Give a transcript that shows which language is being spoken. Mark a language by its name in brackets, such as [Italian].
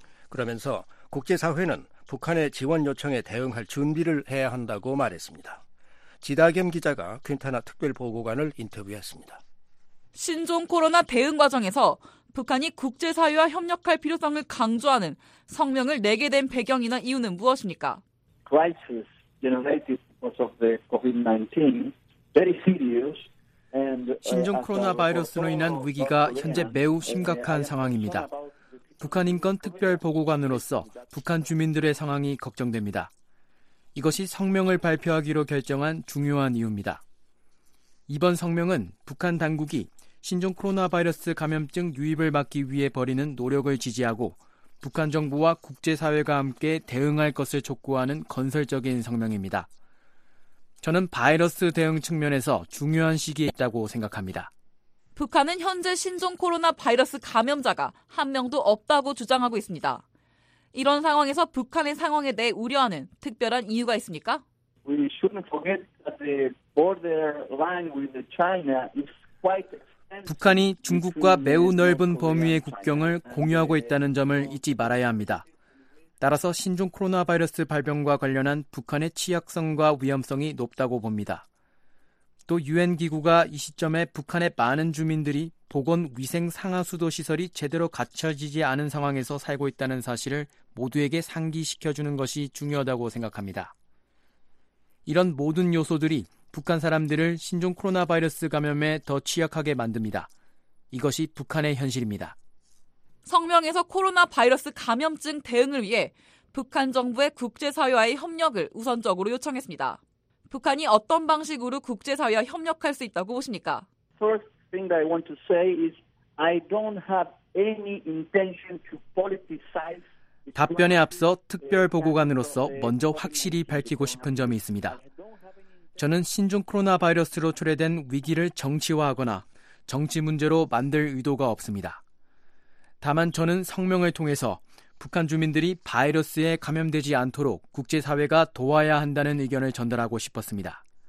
[Korean] 그러면서 국제사회는 북한의 지원 요청에 대응할 준비를 해야 한다고 말했습니다. 지다겸 기자가 퀸타나 특별보고관을 인터뷰했습니다. 신종 코로나 대응 과정에서 북한이 국제사회와 협력할 필요성을 강조하는 성명을 내게 된 배경이나 이유는 무엇입니까? [English] Crisis generated because of the COVID-19, very serious. [Korean] 신종 코로나 바이러스로 인한 위기가 현재 매우 심각한 상황입니다. 북한인권특별보고관으로서 북한 주민들의 상황이 걱정됩니다. 이것이 성명을 발표하기로 결정한 중요한 이유입니다. 이번 성명은 북한 당국이 신종 코로나 바이러스 감염증 유입을 막기 위해 벌이는 노력을 지지하고 북한 정부와 국제사회가 함께 대응할 것을 촉구하는 건설적인 성명입니다. 저는 바이러스 대응 측면에서 중요한 시기에 있다고 생각합니다. 북한은 현재 신종 코로나 바이러스 감염자가 한 명도 없다고 주장하고 있습니다. 이런 상황에서 북한의 상황에 대해 우려하는 특별한 이유가 있습니까? [English] We shouldn't forget that the border line with China is quite extensive. [Korean] 북한이 중국과 매우 넓은 범위의 국경을 공유하고 있다는 점을 잊지 말아야 합니다. 따라서 신종 코로나 바이러스 발병과 관련한 북한의 취약성과 위험성이 높다고 봅니다. 또 유엔 기구가 이 시점에 북한의 많은 주민들이 보건 위생 상하수도 시설이 제대로 갖춰지지 않은 상황에서 살고 있다는 사실을 모두에게 상기시켜주는 것이 중요하다고 생각합니다. 이런 모든 요소들이 북한 사람들을 신종 코로나 바이러스 감염에 더 취약하게 만듭니다. 이것이 북한의 현실입니다. 성명에서 코로나 바이러스 감염증 대응을 위해 북한 정부의 국제사회와의 협력을 우선적으로 요청했습니다. 북한이 어떤 방식으로 국제사회와 협력할 수 있다고 보십니까? [English] First thing that I want to say is I don't have any intention to politicize. [Korean] 답변에 앞서 특별보고관으로서 먼저 확실히 밝히고 싶은 점이 있습니다. 저는 신종 코로나 바이러스로 초래된 위기를 정치화하거나 정치 문제로 만들 의도가 없습니다. 다만 저는 성명을 통해서 북한 주민들이 바이러스에 감염되지 않도록 국제사회가 도와야 한다는 의견을 전달하고 싶었습니다.